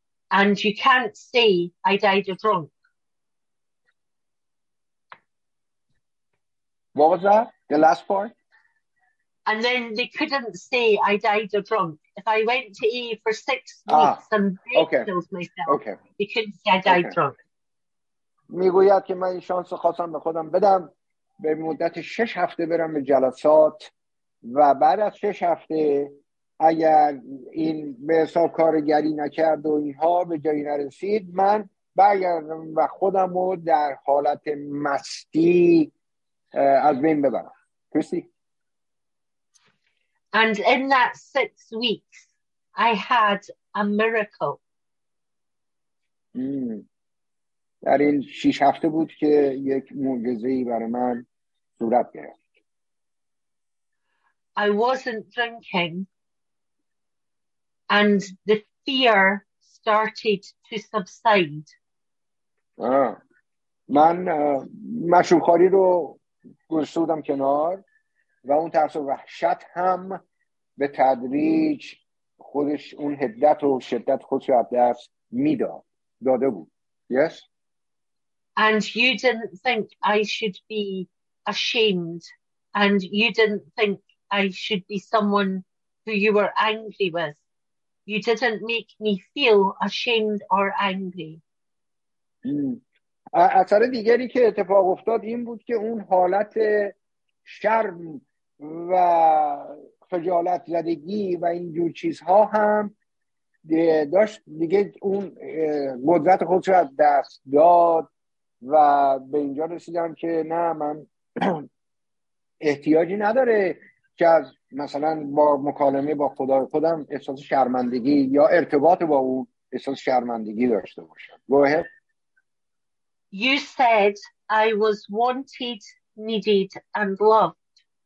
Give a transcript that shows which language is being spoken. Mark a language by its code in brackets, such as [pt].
[en] And you can't say I died a drunk. What was that? The last part? And then they couldn't say I died a drunk. If I went to AA for 6 weeks and then okay. killed myself, okay. they couldn't say I died okay. drunk. [fa] میگوید که من این شانس رو خواستم به خودم بدم به مدت 6 هفته برم به جلسات و بعد از 6 هفته اگر این به حساب کارگری نکرد و اینها به جایی نرسید من برگردم و خودم رو در حالت مستی از بین ببرم کسی؟ [en] And in that 6 weeks I had a miracle [fa] در این 6 هفته بود که یک معجزه‌ای برای من صورت گرفت [en] I wasn't drinking And the fear started to subside. [fa] من مشروب خوری رو گذاشتم کنار و اون ترس و وحشت هم به تدریج خودش اون حدت و شدت خودش رو از دست میداد داده بود. [en] Yes. And you didn't think I should be ashamed, and you didn't think I should be someone who you were angry with. You didn't make me feel ashamed or angry. [fa] اثر دیگری که اتفاق افتاد این بود که اون حالت شرم و خجالت زدگی و این جور چیزها هم داشت دیگه اون قدرت خودش رو از دست داد و به اینجا رسیدم که نه من احتیاجی نداره که از مثلا با مکالمه با خدای خودم احساس شرمندگی یا ارتباط با اون احساس شرمندگی داشته باشم. [en] Go ahead. You said I was wanted, needed and loved.